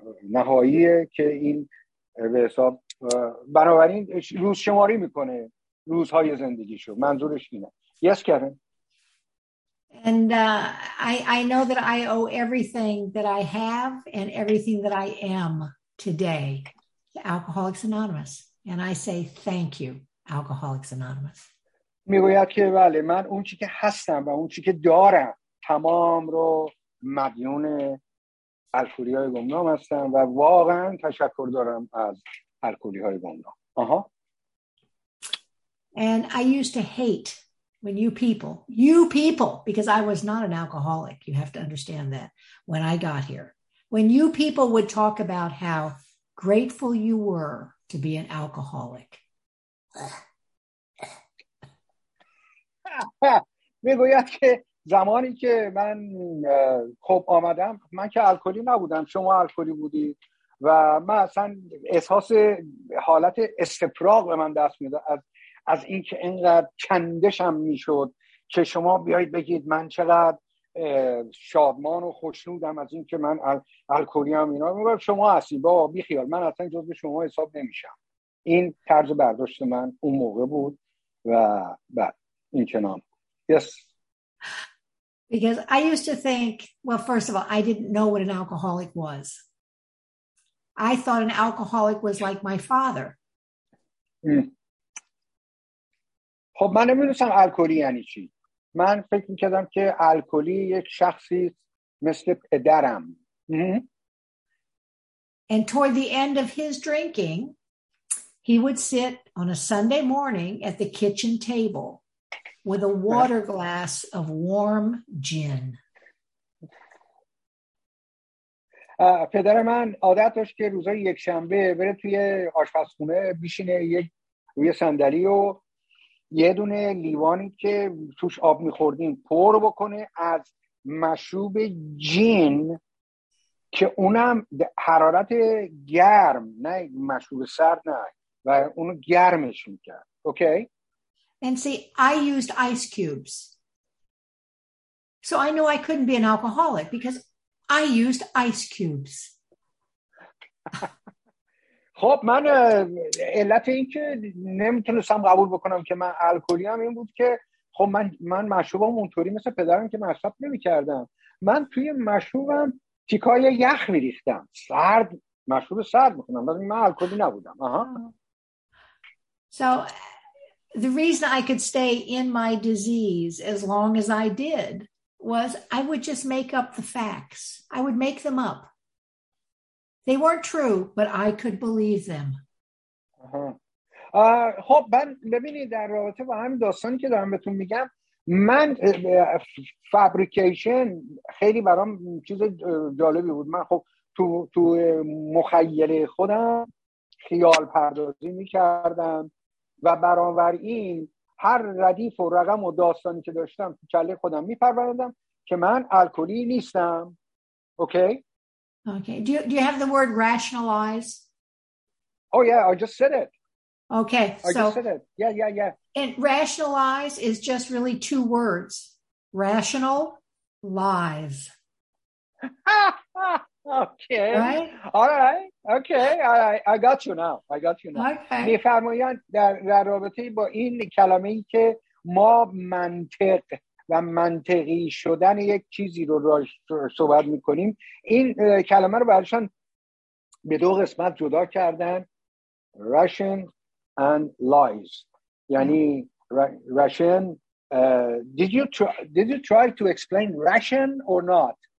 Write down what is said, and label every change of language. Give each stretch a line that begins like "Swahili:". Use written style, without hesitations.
Persian: نهاییه که این به حساب بنابراین روز شماری میکنه روزهای زندگیشو. منظورش اینه.
English: Yes, Kevin. And I know that I owe everything that I have and everything that I am today to Alcoholics Anonymous. And I say thank you, Alcoholics Anonymous.
Persian: میگوید که بله من اون چی که هستم و اون چی که دارم تمام رو مدیون الکلی های گمنام هستم و واقعا تشکر دارم از الکلی های گمنام. آها.
English: And I used to hate when you people, because I was not an alcoholic, you have to understand that, when I got here, when you people would talk about how grateful you were to be an alcoholic.
Persian: میگوید که زمانی که من خوب آمدم من که الکلی نبودم، شما الکلی بودی و من اصلا احساس حالت استفراغ به من دست میداد از این که اینقدر چندشم میشد که شما بیایید بگید من چقدر شادمان و خوشنودم از این که من الکلی هم اینا. میگوید شما هستی با بیخیال، من اصلا جز به شما حساب نمیشم. این طرز برداشت من اون موقع بود و بعد این کنام.
English: Yes. Because I used to think, well, first of all, I didn't know what an alcoholic was. I thought an alcoholic was like my father.
Persian: خب من نمیدونستم الکلی یعنی چی. من فکر میکردم که الکلی یک شخصی مثل پدرم.
English: And toward the end of his drinking, he would sit on a Sunday morning at the kitchen table with a water glass of warm gin.
Persian: پدر من عادت داشت که روزای یک شنبه بره توی آشپزخونه بشینه روی صندلی و یه دونه لیوانی که توش آب می‌خوردیم پر بکنه از مشروب جین که اونم حرارت گرم، نه مشروب سرد، نه، و اونو گرمش می‌کرد. اوکی؟
English: And see, I used ice cubes. So I knew I couldn't be an alcoholic because I used ice cubes.
Persian: خب من علت این که نمیتونستم قبول بکنم که من الکلی ام این بود که خب من مشروبم اونطوری مثل پدرم که مشروب نمیکردم، من توی مشروبم تیکای یخ میریختم، سرد، مشروب سرد میخونم، ولی من الکلی نبودم. آها.
English: So the reason I could stay in my disease as long as I did was I would just make up the facts. I would make them up. They weren't true, but I could believe them.
Persian: خب من ببینید در رابطه با همین داستانی که دارم بهتون میگم، من فابریکیشن خیلی برام چیز جالبی بود. من خب تو مخیله خودم خیال پردازی میکردم و برابر این هر ردیف و رقم و داستانی که داشتم تو کله خودم میپروردم که من الکلی نیستم. اوکی؟
English: Okay. Do you have the word rationalize? Oh yeah, I just said it. Okay. I just said it. Yeah. And rationalize is just really two words. Rational lies. Okay. All right. I got you now. Okay.
Persian: می‌فرمایند در رابطه با این کلمه‌ای که ما منطق و منطقی شدن یک چیزی رو صحبت میکنیم، این کلمه رو برشان به دو قسمت جدا کردن،
English: Russian and lies.
Persian: یعنی Russian.
English: Did you try to explain Russian or not?